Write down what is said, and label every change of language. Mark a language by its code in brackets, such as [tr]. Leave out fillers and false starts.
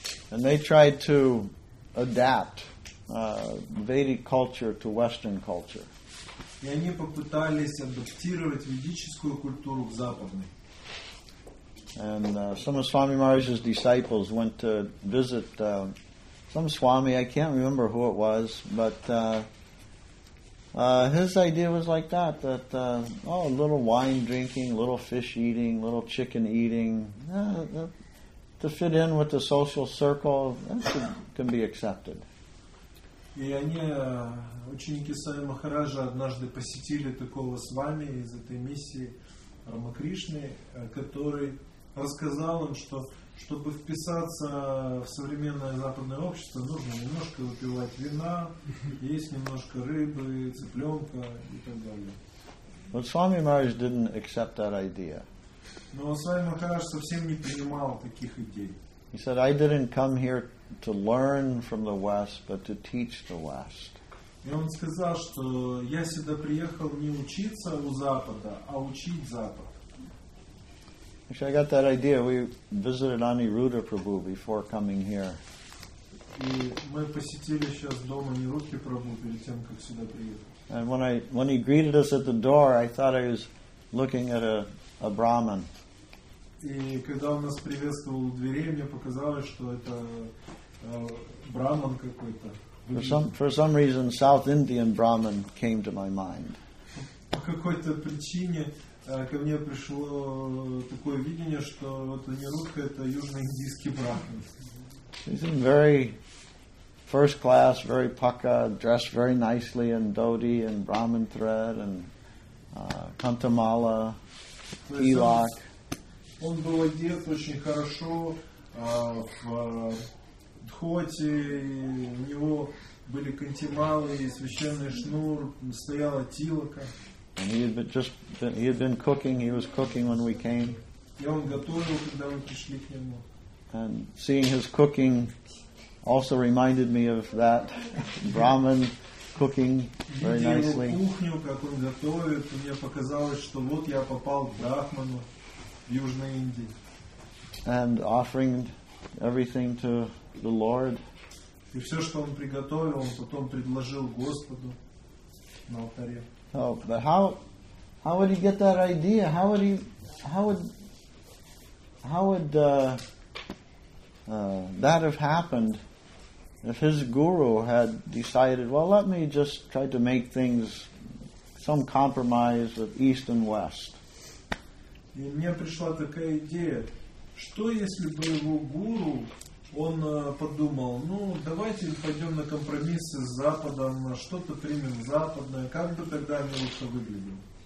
[en] And they tried to adapt Vedic culture to Western culture. [ru] И они попытались адаптировать ведическую культуру к западной. [en] And some of Swami Maharaj's disciples went to visit some Swami. I can't remember who it was, but his idea was like that: that little wine drinking, little fish eating, little chicken eating. To fit in with the social circle, that can be accepted. [ru] И они, ученики Сами Махараджа, однажды посетили такого с вами из этой миссии Рамакришны, который рассказал им, что чтобы вписаться в современное западное общество, нужно немножко выпивать вина, есть немножко рыбы, цыпленка и так далее. [en] But Swami Maharaj didn't accept that idea. [ru] Но Свами Махарадж совсем не принимал таких идей. [en] He said, "I didn't come here to learn from the West, but to teach the West." [ru] И он сказал, что я сюда приехал не учиться у Запада, а учить Запад. [en] Actually, I got that idea. We visited Aniruddha Prabhu before coming here. [ru] И мы посетили сейчас дома Анируддхи Прабху перед тем, как сюда приехать. [en] And when he greeted us at the door, I thought I was looking at a Brahman. [ru] И когда он нас приветствовал у дверей, мне показалось, что это Браман какой-то. [en] For some reason, South Indian Brahman came to my mind. [ru] По какой-то причине ко мне пришло такое видение, что вот Анирудха это южноиндийский Браман. [en] He's in very first class, very pukka, dressed very nicely in dhoti and Brahman thread and kantamala. [ru] Пилак. Он был одет очень хорошо в дхоте, у него были кантималы и священный шнур, стояла тилака. [en] He had been cooking. He was cooking when we came. [ru] И он готовил, когда мы пришли к нему. [en] And seeing his cooking also reminded me of that Brahman. Cooking very nicely. [ru] Кухню, как он готовит, мне показалось, что вот я попал к брахману в Южной Индии. [en] And offering everything to the Lord. [ru] И все, что он приготовил, он потом предложил Господу. на алтаре. [en] Oh, but how would he get that idea? How would that have happened if his guru had decided, well, let me just try to make things some compromise of East and West? [ru] И мне пришла такая идея, что если бы его гуру, он подумал, ну, давайте пойдем на компромиссы с Западом, что-то примем западное, как бы тогда мне лучше выглядело?